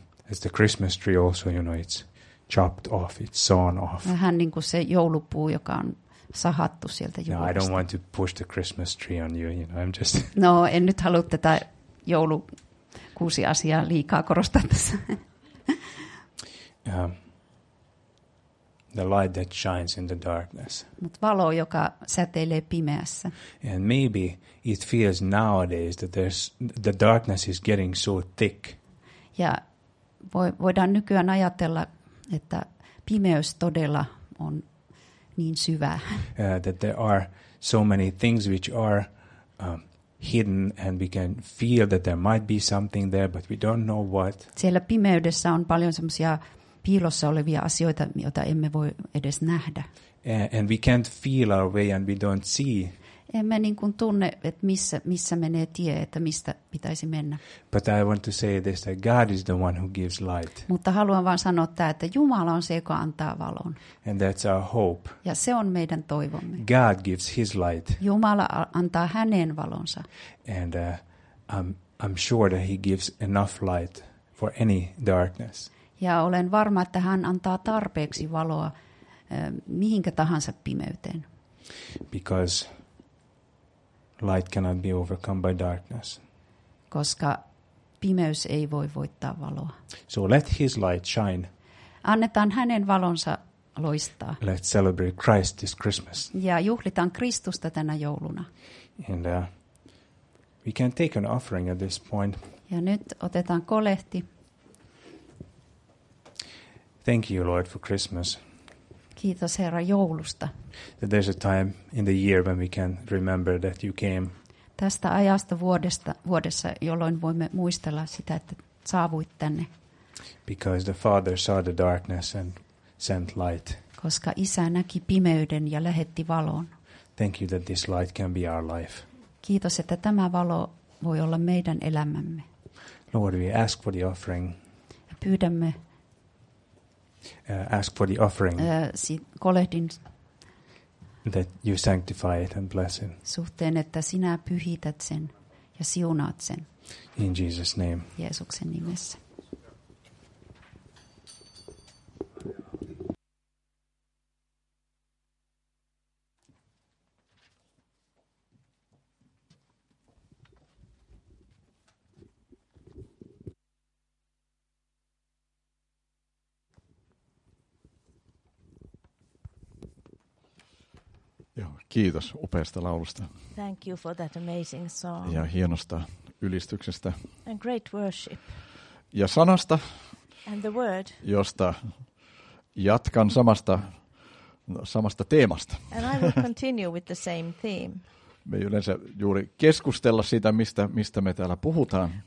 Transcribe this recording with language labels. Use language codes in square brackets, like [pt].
[en] As the Christmas tree also, you know, it's chopped off, it's sawn off. [fi] Vähän niin kuin se joulupuu, joka on sahattu sieltä juuresta. [en] No, I don't want to push the Christmas tree on you, you know, I'm just [fi] no, en nyt halua tätä joulukuusi asiaa liikaa korostaa tässä. [en] The light that shines in the darkness. [fi] Mut valo, joka säteilee pimeässä. [en] And maybe it feels nowadays that the darkness is getting so thick. [fi] Ja voidaan nykyään ajatella, että pimeys todella on niin syvä. [en] That there are so many things which are hidden and we can feel that there might be something there, but we don't know what. [fi] Siellä pimeydessä on paljon semmoisia piilossa olevia asioita, joita emme voi edes nähdä. [en] And we can't feel our way and we don't see. [fi] Emme niin kuin tunne, että missä menee tie, että mistä pitäisi mennä. [en] But I want to say this, that God is the one who gives light. [fi] Mutta haluan vaan sanoa tämä, että Jumala on se, joka antaa valon. [en] And that's our hope. [fi] Ja se on meidän toivomme. [en] God gives his light. [fi] Jumala antaa hänen valonsa. [en] And I'm sure that he gives enough light for any darkness. [fi] Ja olen varma, että hän antaa tarpeeksi valoa mihinkä tahansa pimeyteen. [en] Because light cannot be overcome by darkness. [fi] Koska pimeys ei voi voittaa valoa. [en] So let his light shine. [fi] Annetaan hänen valonsa loistaa. [en] Let's celebrate Christ this Christmas. [fi] Ja juhlitaan Kristusta tänä jouluna. [en] And We can take an offering at this point. [fi] Ja nyt otetaan kolehti. [en] Thank you, Lord, for Christmas. [fi] Kiitos Herra joulusta. [en] That there's a time in the year when we can remember that you came. [fi] Tästä ajasta vuodessa, jolloin voimme muistella sitä, että saavuit tänne. [en] Because the Father saw the darkness and sent light. [fi] Koska Isä näki pimeyden ja lähetti valon. [en] Thank you that this light can be our life. [fi] Kiitos, että tämä valo voi olla meidän elämämme. [en] Lord, we ask for the offering. [fi] Ja pyydämme. [en] Ask for the offering. [fi] Kolehdin. [en] That you sanctify it and bless it. [fi] Suhteen, että sinä pyhität sen ja siunaat sen. [en] In Jesus' name. [fi] Jeesuksen nimessä. Kiitos upeasta laulusta. [en] Thank you for that amazing song. [fi] Ja hienosta ylistyksestä. [en] And great worship. [fi] Ja sanasta. [en] And the word. [fi] Josta jatkan samasta teemasta. [en] And I will continue with the same theme. [fi] Me ei yleensä juuri keskustella siitä, mistä me täällä puhutaan.